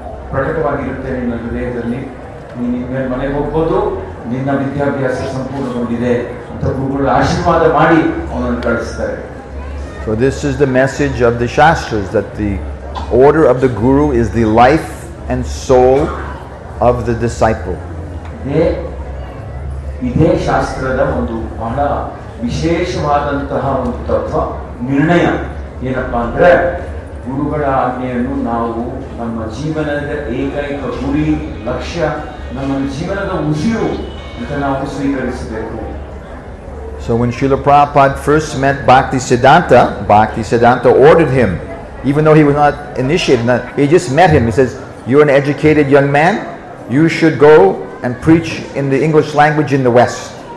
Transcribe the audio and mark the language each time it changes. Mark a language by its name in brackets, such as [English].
[Kannada] ಪ್ರಕಟವಾಗಿರುತ್ತೆ ನಿನ್ನ ಹೃದಯದಲ್ಲಿ, ನೀನು ಇನ್ಮೇಲೆ ಮನೆಗೆ ಹೋಗ್ಬೋದು, ನಿನ್ನ ವಿದ್ಯಾಭ್ಯಾಸ ಸಂಪೂರ್ಣಗೊಂಡಿದೆ ಅಂತ ಗುರುಗಳ ಆಶೀರ್ವಾದ ಮಾಡಿ ಅವನನ್ನು ಕಳಿಸ್ತಾರೆ. [English] So this is the message of the Shastras, that the order of the guru is the life and soul of the disciple. [Kannada] ಇದೇ ಶಾಸ್ತ್ರದ ಒಂದು ಬಹಳ ವಿಶೇಷವಾದಂತಹ ಒಂದು ತತ್ವ ನಿರ್ಣಯ ಏನಪ್ಪ ಅಂದ್ರೆ, ಗುರುಗಳ ಆಜ್ಞೆಯನ್ನು ನಾವು ನಮ್ಮ ಜೀವನದ ಏಕೈಕ ಗುರಿ ಲಕ್ಷ್ಯ, ನಮ್ಮ ಜೀವನದ ಉಸಿರು ಅಂತ ನಾವು ಸ್ವೀಕರಿಸಬೇಕು. [English] So when Srila Prabhupada first met Bhakti Siddhanta, Bhakti Siddhanta ordered him, even though he was not initiated, he just met him. He says, you're an educated young man, you should go and preach in the English language in the West.